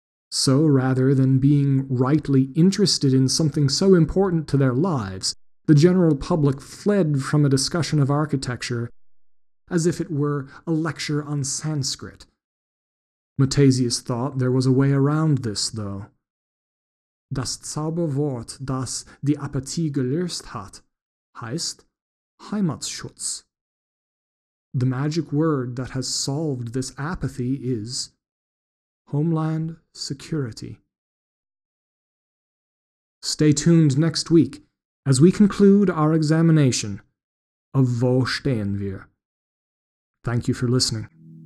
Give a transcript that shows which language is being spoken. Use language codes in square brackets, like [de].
[en] So, rather than being rightly interested in something so important to their lives, the general public fled from a discussion of architecture as if it were a lecture on Sanskrit. Muthesius thought there was a way around this, though. [de] Das Zauberwort, das die Apathie gelöst hat, heißt Heimatschutz. [en] The magic word that has solved this apathy is homeland security. Stay tuned next week as we conclude our examination of Wo stehen wir? Thank you for listening.